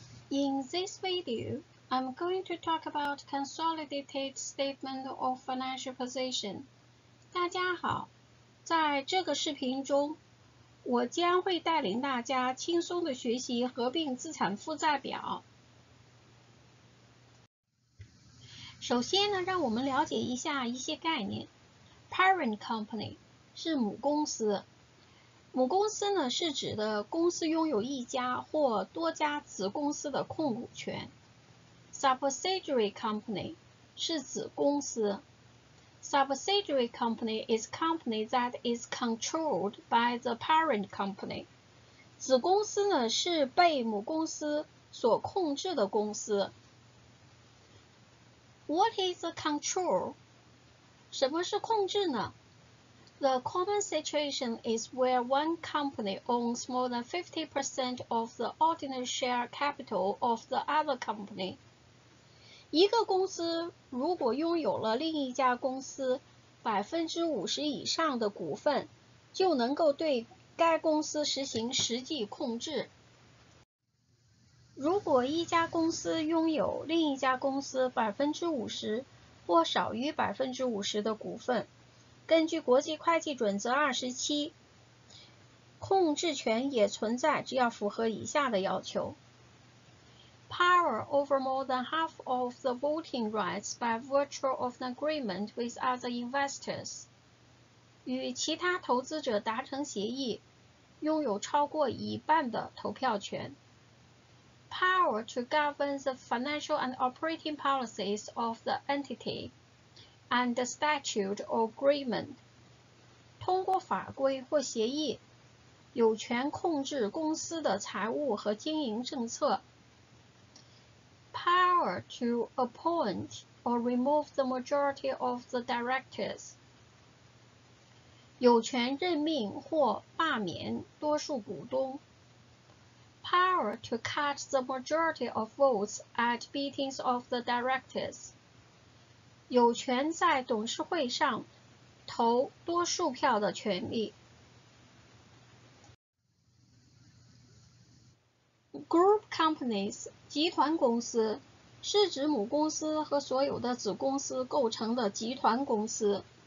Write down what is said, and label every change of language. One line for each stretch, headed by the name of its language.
English: In this video, I'm going to talk about consolidated statement of financial position.
Chinese: 大家好，在这个视频中，我将会带领大家轻松地学习合并资产负债表。首先呢，让我们了解一下一些概念。 Parent company 是母公司。母公司呢，是指的公司拥有一家或多家子公司的控股权。 Subsidiary company 是子公司。
English: Subsidiary company is company that is controlled by the parent company.
Chinese: 子公司呢，是被母公司所控制的公司。
English: What is the control?
Chinese: 什么是控制呢？
English: The common situation is where one company owns more than 50% of the ordinary share capital of the other company.
Chinese: 一个公司如果拥有了另一家公司 50% 以上的股份，就能够对该公司实行实际控制。如果一家公司拥有另一家公司 50% 或少于 50% 的股份，根据国际会计准则27，控制权也存在，只要符合以下的要求。
English: Power over more than half of the voting rights by virtue of an agreement with other investors.
Chinese: 与其他投资者达成协议，拥有超过一半的投票权。
English: Power to govern the financial and operating policies of the entity. And the statute or agreement.
Chinese: 通过法规或协议，有权控制公司的财务和经营政策。
English: Power to appoint or remove the majority of the directors.
Chinese: 有权任命或罢免多数股东。
English: Power to cast the majority of votes at meetings of the directors.
Chinese: 有权在董事会上投多数票的权利。 Group companies 集团公司是指母公司和所有的子公司构成的集团公司。